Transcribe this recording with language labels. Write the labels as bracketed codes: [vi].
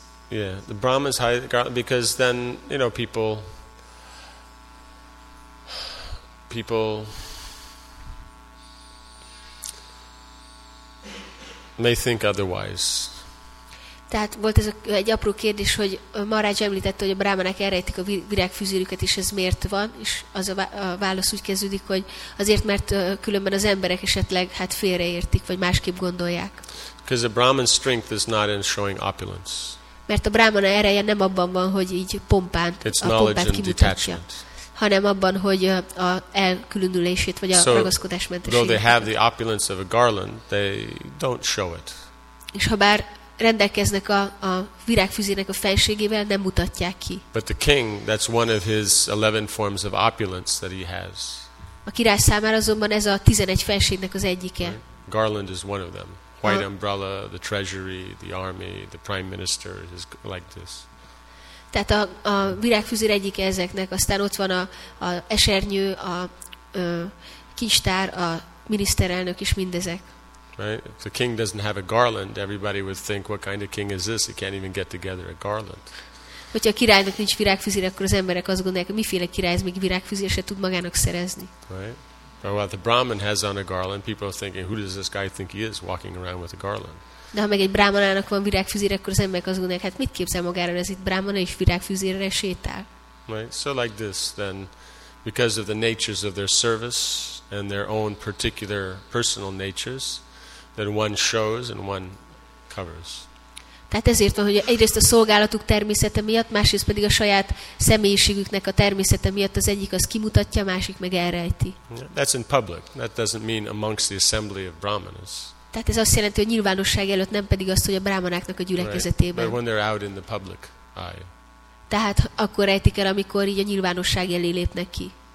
[en] Yeah, the Brahmas high, because then, you know, people may think otherwise. [hu] Tehát volt ez egy apró kérdés, hogy Maharaj említette, hogy a brahmanek elrejtik a virágfüzérüket, és ez miért van, és az a válasz úgy kezdődik, hogy azért, mert különben az emberek esetleg hát félreértik, vagy másképp gondolják. [en] Because the Brahman's strength is not in showing opulence. [hu] Mert a brahmana ereje nem abban van, hogy így pompán it's a pompát kimutatja, hanem abban, hogy a elkülönülését vagy a ragaszkodásmentességét. [en] Though they have the opulence of a garland, they don't show it. [hu] És ha bár rendelkeznek a virágfüzének a fenségével, nem mutatják ki. [en] But the king, that's one of his 11 forms of opulence that he has. [hu] A király számára azonban ez a 11 fenségnek az egyike. [en] Right? Garland is one of them. White umbrella, the treasury, the army, the prime minister is like this. [hu] Tehát a virágfüzér egyik ezeknek, aztán ott van a esernyő, a kincstár, a miniszterelnök is mindezek. [en] Right? If the king doesn't have a garland, everybody would think, what kind of king is this? He can't even get together a garland. [hu] Hogyha a királynak nincs virágfüzér, akkor az emberek azt gondolják, hogy miféle király ez még virágfüzér se tud magának szerezni. [en] Right? But what the Brahman has on a garland, people are thinking, who does this guy think he is walking around with a garland? [hu] De ha meg egy brahmanának van virágfüzér, akkor az emberek azt gondolják, hát mit képzel magára, ez itt brahmana és virágfüzérre sétál? [en] Right? So like this, then, because of the natures of their service and their own particular personal natures, that one shows and one covers. [hu] Tehát ezért van, hogy egyrészt a szolgálatuk természete miatt, másrészt pedig a saját személyiségüknek a természete miatt az egyik az kimutatja, a másik meg elrejti. [en] That's in public. That doesn't mean amongst the assembly of brahmanas. [hu] Tehát ez azt jelenti, hogy nyilvánosság előtt, nem pedig azt, hogy a brahmanáknak a gyülekezetében. [en] Right. But when they're out in the public eye. [hu] Tehát akkor rejtik el, amikor így a nyilvánosság elé lépnek ki.